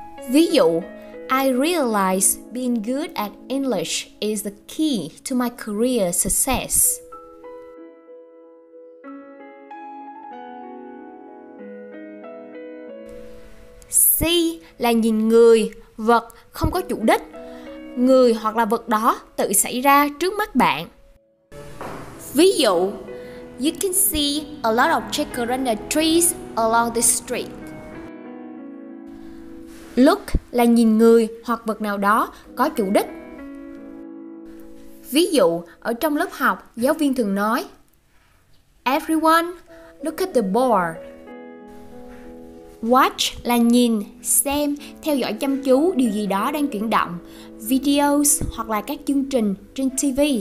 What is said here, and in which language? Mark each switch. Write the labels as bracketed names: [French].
[Vietnamese] Ví dụ, [English] I realize being good at English is the key to my career success. [Vietnamese] See là nhìn người, vật, không có chủ đích. Người hoặc là vật đó tự xảy ra trước mắt bạn. Ví dụ, [English] you can see a lot of jacaranda trees along the street. [Vietnamese] Look là nhìn người hoặc vật nào đó có chủ đích. Ví dụ, ở trong lớp học, giáo viên thường nói, [English] everyone, look at the board. [Vietnamese] Watch là nhìn, xem, theo dõi chăm chú điều gì đó đang chuyển động, videos hoặc là các chương trình trên TV.